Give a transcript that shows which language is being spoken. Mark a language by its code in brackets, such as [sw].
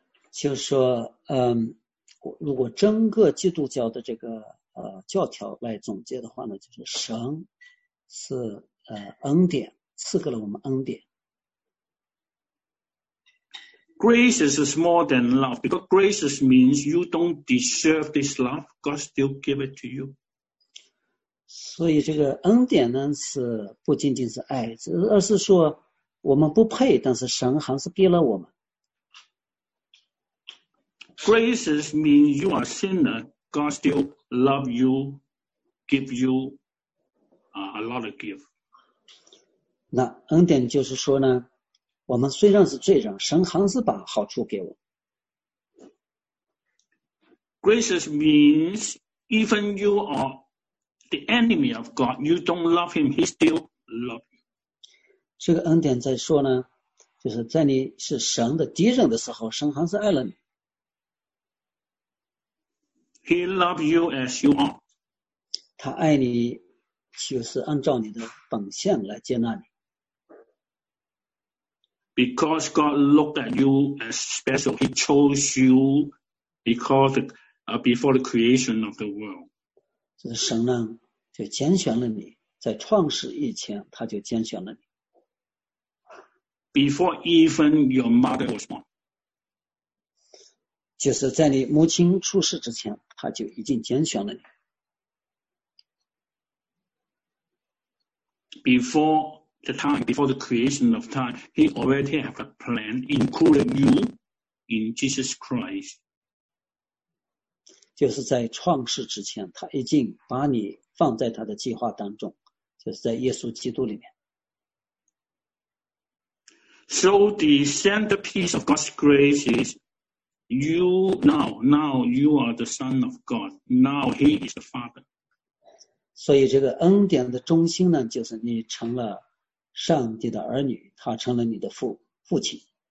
[zh] 就是说，如果整个基督教的这个教条来总结的话呢，就是神是恩典，赐给了我们恩典。 [en] Grace is more than love, because grace means you don't deserve this love, God still give it to you. [zh] 所以这个恩典呢，是不仅仅是爱，而是说我们不配，但是神还是给了我们。 [en] Grace means you are a sinner, God still love you, give you a lot of gift. [zh] 那恩典就是说呢，我们虽然是罪人，神还是把好处给我。 [en] Grace means even you are the enemy of God, you don't love him, he still love you. [zh] 这个恩典在说呢，就是在你是神的敌人的时候，神还是爱了你。 [en] He loves you as you are. [zh] 他爱你，就是按照你的本相来接纳你。 [en] Because God looked at you as special, He chose you before the creation of the world. [zh] 就是神呢，就拣选了你，在创世以前，他就拣选了你。 [en] Before even your mother was born. [zh] 就是在你母亲出世之前，他就已经拣选了你。 [en] Before the creation of time, he already have a plan, including you in Jesus Christ. [zh] 就是在创世之前，他已经把你放在他的计划当中，就是在耶稣基督里面。 [en] So the centerpiece of God's grace is you now you are the Son of God. Now he is the Father. [zh] 所以这个恩典的中心呢，就是你成了上帝的儿女，他成了你的父亲。